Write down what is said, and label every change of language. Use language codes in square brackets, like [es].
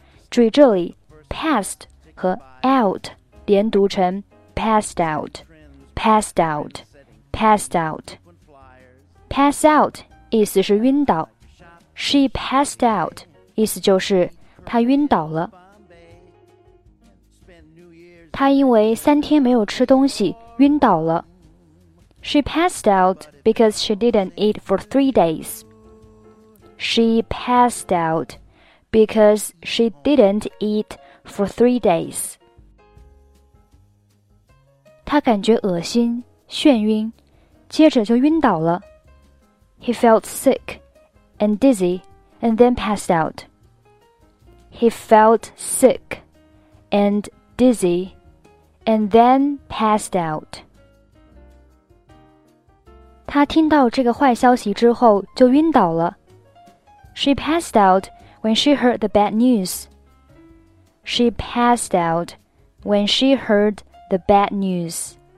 [zh] 注意这里 passed和 out 连读成 passed out, passed out, passed out. Pass out 意思是晕倒。 [en] She passed out [zh] 意思就是她晕倒了。她因为三天没有吃东西晕倒了。 [en] She passed out because she didn't eat for 3 days. She passed out because she didn't eat for 3 days. [zh] 他感觉恶心眩晕接着就晕倒了。 [en] He felt sick and dizzy and then passed out. He felt sick and dizzy and then passed out. [zh] 他听到这个坏消息之后就晕倒了。 [en] She passed out when she heard the bad news. She passed out when she heard the bad news.